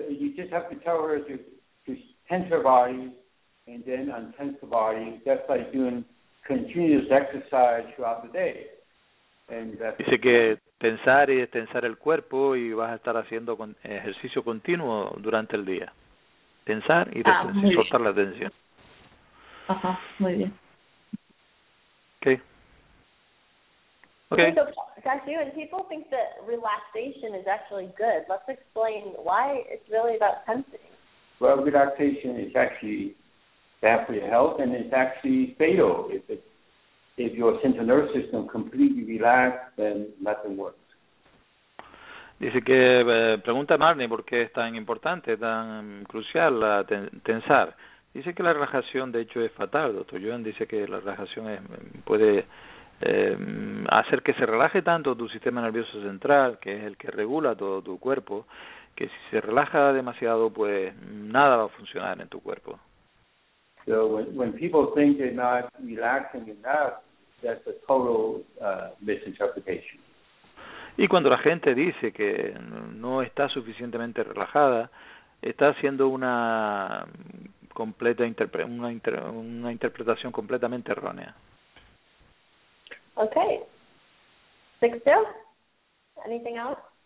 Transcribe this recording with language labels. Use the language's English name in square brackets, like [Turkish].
[English] You just have to tell her to tense her body and then untense the body, just like doing continuous exercise throughout the day. And [Spanish] dice que tensar y destensar el cuerpo y vas a estar haciendo ejercicio continuo durante el día. Tensar y destensar, soltar la tensión. Muy bien. [English] Okay. Okay. So, Dr. Yuen, people think that relaxation is actually good. Let's explain why it's really about tensing. Well, relaxation is actually bad for your health, and it's actually fatal. If your central nervous system completely relaxed, then nothing works. [Spanish] Dice que pregunta Marnie por qué es tan importante, tan crucial la tensar. Dice que la relajación de hecho es fatal. Doctor Yuan dice que la relajación puede hacer que se relaje tanto tu sistema nervioso central, que es el que regula todo tu cuerpo, que si se relaja demasiado, pues nada va a funcionar en tu cuerpo. [English] So when people think they're not relaxing enough, that's a total misinterpretation. [Spanish] Y cuando la gente dice que no está suficientemente relajada, está haciendo una interpretación completamente errónea. [English] Okay. Sixto, anything else?